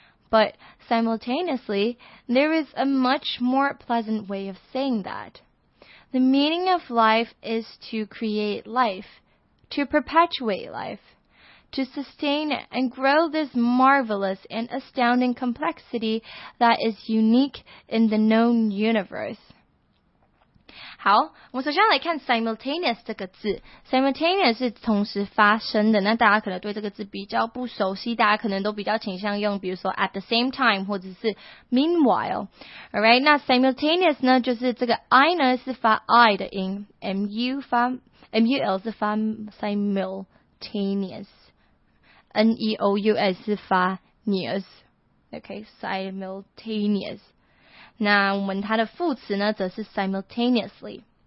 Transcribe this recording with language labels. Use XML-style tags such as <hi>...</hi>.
<en>But simultaneously, there is a much more pleasant way of saying that. The meaning of life is to create life, to perpetuate life, to sustain and grow this marvelous and astounding complexity that is unique in the known universe.</en> <zh>好，我们首先来看 simultaneous 这个字。simultaneous 是同时发生的，那大家可能对这个字比较不熟悉，大家可能都比较倾向用，比如说</zh> <en>at the same time</en> <zh>或者是 meanwhile。 Alright， 那 simultaneous 呢，就是这个 I 呢是发 I 的音 ，mu 发 mul 是发 simultaneous，neous 是发 neous。</zh> <en>Okay， simultaneous。</en> <zh>那我们它的副词呢则是 simultaneously。</zh>